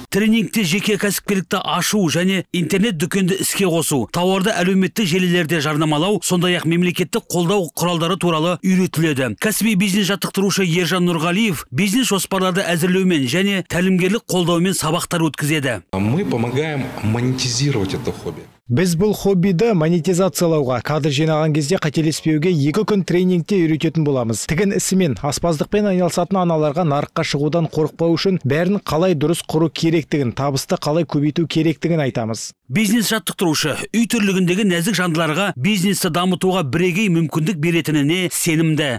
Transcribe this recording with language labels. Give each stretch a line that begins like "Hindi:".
Kazakh: Тренингте жеке кәсіпкерлікті ашу және интернет дүкенді іске қосу, тауарды әлеуметтік желілерде жарнамалау, сондай-ақ мемлекеттік қолдау құралдары туралы үйретіледі. Кәсіби бизнес жаттықтырушы Ержан Нұрғалиев бизнес жоспарларды әзірлеумен және тәлімгерлік қолдаумен сабақтар өткізеді.
Russian: Мы помогаем монетизировать это хобби.
Kazakh: Біз бұл хоббиді монетизациялауға, кадр жинаған кезде қателеспеуге 2 күн тренингте үйрететін боламыз. Тігін ісімен, аспаздықпен айналысатын аналарға нарыққа шығудан қорықпау үшін бәрін қалай дұрыс құру керектігін, табысты қалай көбейту керектігін айтамыз. Бизнес жаттықтырушы үй түрлігіндегі нәзік жандыларға бизнесті дамытуға бірегей мүмкіндік беретініне сенімді.